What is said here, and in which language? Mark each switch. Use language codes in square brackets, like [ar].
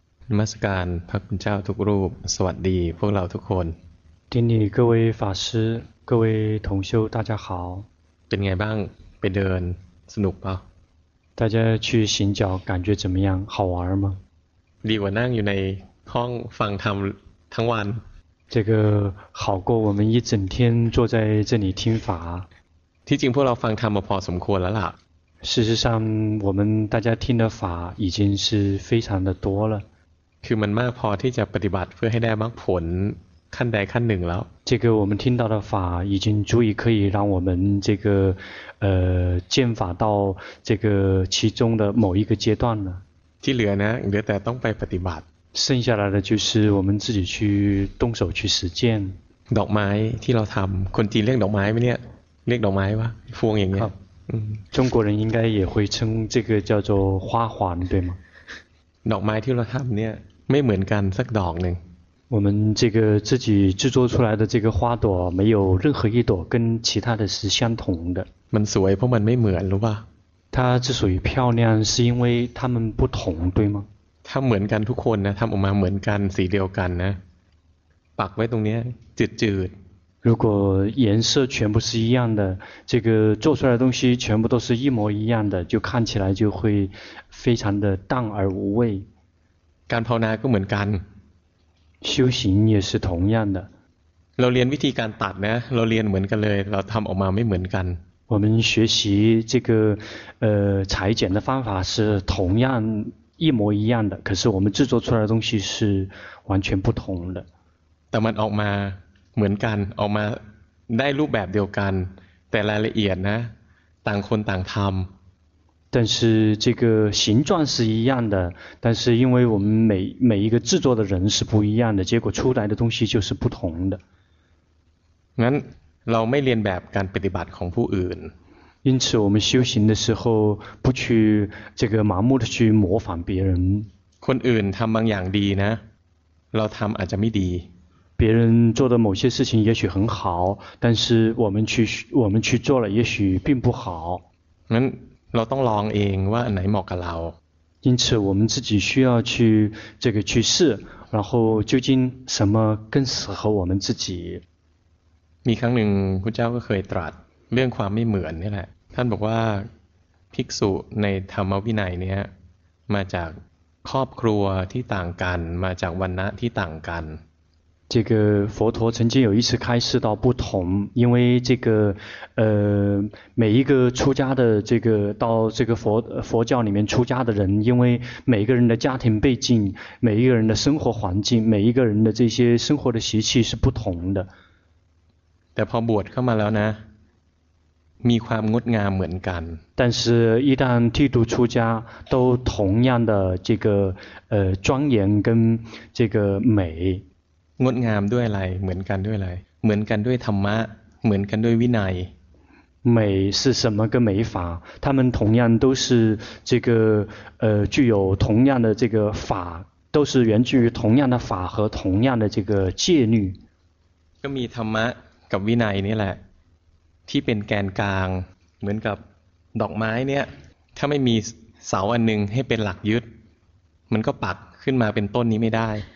[th] นมัสการพระคุณเจ้าทุกรูปสวัสดีพวกเราทุกคน ที่นี่ [zh] 各位法师各位同修大家好 [th] เป็นไงบ้างไปเดินสนุกป่ะ [zh] 大家去行脚感觉怎么样好玩吗 [th] ดีกว่านั่งอยู่ในห้องฟังธรรมทั้งวัน [zh] 这个好过我们一整天坐在这里听法 [th] ที่จริงพวกเราฟังธรรมมาพอสมควรแล้วล่ะ [zh] 事实上我们大家听的法已经是非常的多了 [th] คือมันมากพอที่จะปฏิบัติเพื่อให้ได้มรรคผลขั้นใดขั้นหนึ่งแล้ว [zh] 这个我们听到的法已经足以可以让我们这个见法到这个其中的某一个阶段了 [th] ที่เหลือนะเหลือแต่ต้องไปปฏิบัติ [zh] 剩下来的就是我们自己去动手去实践 [th] ดอกไม้ที่เราทำคนจีนเรียกดอกไม้ไหมเนี่ยเรียกดอกไม้ปะพวงอย่างเงี้ย [zh] 中国人应该也会称这个叫做花环对吗 [th] ดอกไม้ที่เราทำเนี่ยไม่เหมือนกันสักดอกหนึ่ง [zh] 我们这个自己制作出来的这个花朵没有任何一朵跟其他的是相同的 [th] มันสวยเพราะมันไม่เหมือนรู้ป่ะ [zh] 它之所以漂亮是因为它们不同对吗 [th] ถ้าเหมือนกันทุกคนนะทำออกมาเหมือนกันสีเดียวกันนะปักไว้ตรงนี้จืด [zh] ๆ如果颜色全部是一样的这个做出来的东西全部都是一模一样的就看起来就会非常的淡而无味 [th] การภาวนาก็เหมือนกัน [zh] 修行也是同样的 [th] เราเรียนวิธีการตัดนะเราเรียนเหมือนกันเลยเราทำออกมาไม่เหมือนกัน [zh] 我们学习这个裁剪的方法是同样一模一样的可是我们制作出来的东西是完全不同的 [th] แต่มันออกมาเหมือนกันออกมาได้รูปแบบเดียวกันแต่รายละเอียดนะต่างคนต่างทำ [zh] 但是这个形状是一样的但是因为我们 每一个制作的人是不一样的结果出来的东西就是不同的 [th] งั้นเราไม่เรียนแบบการปฏิบัติของผู้อื่น [zh] 因此我们修行的时候不去这个盲目的去模仿别人 [th] คนอื่นทำบางอย่างดีนะเราทำอาจจะไม่ดี [zh] 别人做的某些事情也许很好但是我们去做了也许并不好 [th] งั้นเราต้องลองเองว่าอันไหนเหมาะกับเรา [zh] 因此我们自己需要去这个去试然后究竟什么更适合我们自己 [th] มีครั้งหนึ่งพุทธเจ้าก็เคยตรัสเรื่องความไม่เหมือนนี่แหละท่านบอกว่าภิกษุในธรรมวินัยเนี้ยมาจากครอบครัวที่ต่างกันมาจากวรรณะที่ต่างกัน [zh] 这个佛陀曾经有一次开示到不同因为这个每一个出家的这个到这个佛教里面出家的人因为每一个人的家庭背景每一个人的生活环境每一个人的这些生活的习气是不同的 [th] แต่พอบวชเข้ามาแล้วนะมีความงดงามเหมือนกัน [zh] 但是一旦剃度出家都同样的这个庄严跟这个美 [th] งดงามด้วยอะไรเหมือนกันด้วยอะไรเหมือนกันด้วยธรรมะเหมือนกันด้วยวินัย [zh] 美是什么个美法他们同样都是这个具有同样的这个法都是源自于同样的法和同样的这个戒律 [th] ก็มีธรรมะกับวินัยนี่แหละที่เป็นแกนกลางเหมือนกับดอกไม้เนี่ยถ้าไม่มีเสาอันนึงให้เป็นหลักยึดมันก็ปักขึ้นมาเป็นต้นนี้ไม่ได้